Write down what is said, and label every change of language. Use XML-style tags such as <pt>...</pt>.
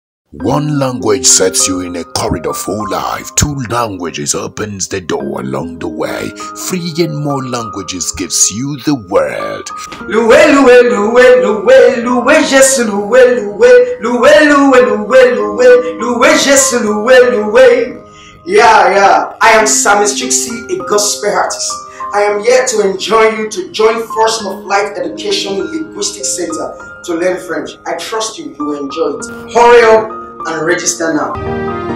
<en>One language sets you in a corridor for life. Two languages opens the door along the way. Three and more languages gives you the world.</en> <fr>Loué, loué, loué, loué, loué, je suis loué, loué. Loué, loué, loué, loué, loué, je suis loué, loué.</fr> <en>Yeah, yeah. I am Samis Chixi, a gospel artist. I am here to enjoy you to join Force of Life Education Linguistic Center to learn French. I trust you, you will enjoy it. Hurry up and register now.</en>